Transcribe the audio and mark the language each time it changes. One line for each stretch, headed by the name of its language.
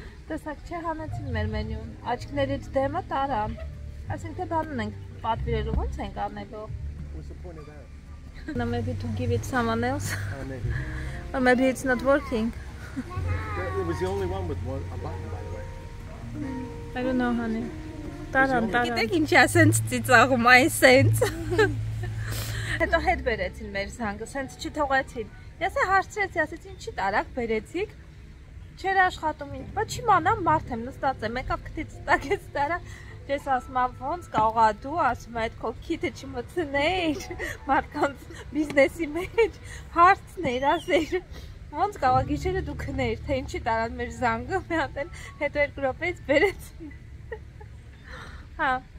Armenian: Տեսակ չէ հանեցին մեր մենյուն, աչքներից դեմը տարան։ Այսինքն բանն ենք պատվիրելու, ո՞նց ենք անելու։
English: No, maybe to give it someone else. Maybe. Or maybe it's not working. It was the only one with one, a button, by the way. I don't know, honey.
Armenian: Տարան, տարան։ Գիտեք ինչ է, սենց ծիծաղում, այն սենց։ Հետո հետ բերեցին մեր զանգը, սենց չի թողեցին։ Ես է հարցրեցի, ասեցի, ինչի տարակ բերեցիք։ Չեր աշխատում ինձ, բայց չիմանամ, մարդ եմ, նստած եմ, եկավ քթից տակեց տարա։ Ես ասում եմ, ոնց կարողա դու, ասում եմ, այդ քո քիթը չմտցնեիր մարդկանց բիզնեսի մեջ, հարցներ ասեր, ոնց կարողա գիշերը դու քնեիր, թե ինչի տարան մեր զանգը, մի հատ էլ հետո երկու րոպեից բերեցին։ Հա,